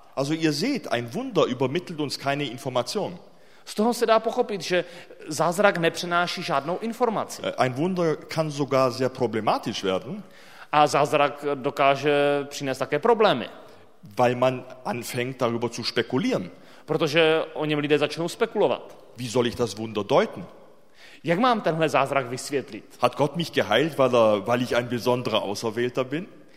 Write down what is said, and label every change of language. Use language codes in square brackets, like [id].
[de] Also ihr seht, ein Wunder übermittelt uns keine Information. [cs] Z toho se dá pochopit, že zázrak nepřenáší žádnou informaci. [de] Ein Wunder kann sogar sehr problematisch werden. [cs] A zázrak dokáže přinést také problémy. [de] Weil man anfängt darüber zu spekulieren. [cs] Protože o něm lidé začnou spekulovat. [de] Wie soll ich das Wunder deuten? [cs] Jak mám tenhle zázrak vysvětlit? [de] Hat Gott mich geheilt, weil ich ein besonderer Auserwählter bin?